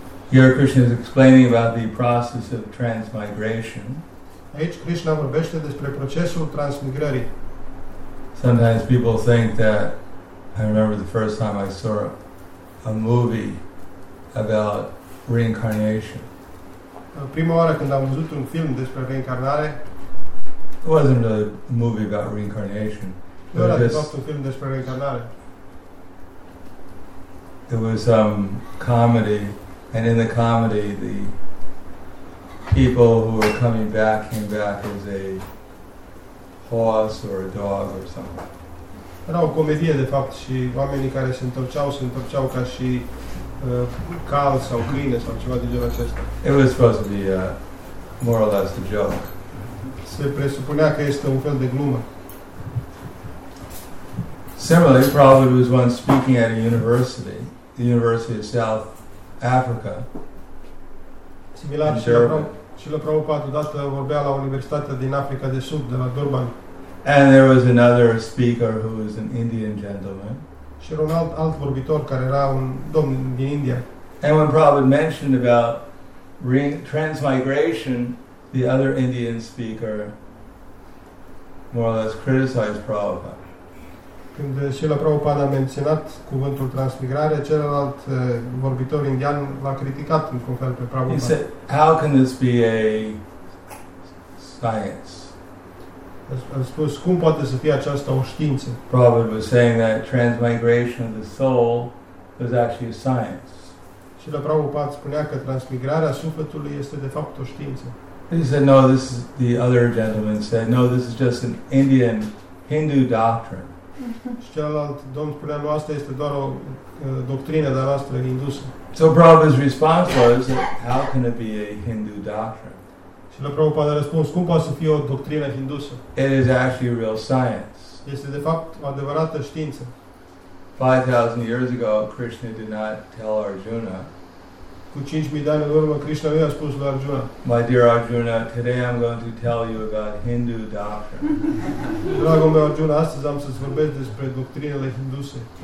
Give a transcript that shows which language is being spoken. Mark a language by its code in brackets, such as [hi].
[en] Here Krishna is explaining about the process of transmigration. [ro] Aici Krishna vorbește despre procesul transmigrării. [en] Sometimes people think that, I remember the first time I saw a movie about reincarnation. [ro] Prima oară când am văzut un film despre reîncarnare. [en] It wasn't a movie about reincarnation. [ro] Nu era [en] just [ro] un film despre reîncarnare. [en] It was comedy, and in the comedy the people who were coming back came back as a horse or a dog or something. [ro] Era o comedie de fapt și oamenii care se întorceau ca și cal sau câine sau ceva de genul acesta. [en] It was supposed to be more or less a joke. [ro] Se presupunea că este un fel de glumă. [en] Similarly, Prabhupada was once speaking at a university, the University of South Africa. [ro] Similar și la Prabhupada, odată vorbea la Universitatea din Africa de Sud, de la Durban. [en] And there was another speaker who was an Indian gentleman. [ro] Și era un alt vorbitor care era un domn din India. [en] And when Prabhupada mentioned about transmigration, the other Indian speaker more or less criticized Prabhupada. [ro] Când Srila Prabhupada a menționat cuvântul transmigrare, celălalt vorbitor indian l-a criticat într-un fel pe Prabhupada. [en] He said, how can this be a science? [ro] A spus, cum poate să fie aceasta o știință? [en] Prabhupada was saying that transmigration of the soul was actually a science. [ro] Și la Prabhupada spunea că transmigrarea sufletului este de fapt o știință. [en] He said, no, this is, the other gentleman said, no, this is just an Indian Hindu doctrine. [ro] Și celălalt domn spunea, nu, asta este doar o doctrină de-a noastră hindusă. [en] So Prabhupada's response was, how can it be a Hindu doctrine? [ro] Și la Prabhupada a răspuns, cum poate să fie o doctrină hindusă? [en] It is actually real science. [ro] Este de fapt o adevărată știință. [en] 5,000 years ago, Krishna did not tell Arjuna. [ro] Cu 5,000 de ani în urmă, Krishna nu i-a spus lui Arjuna. [en] My dear Arjuna, today I'm going to tell you about Hindu doctrine. [ro] Dragul meu Arjuna, astăzi am să-ți vorbesc despre doctrinele hinduse.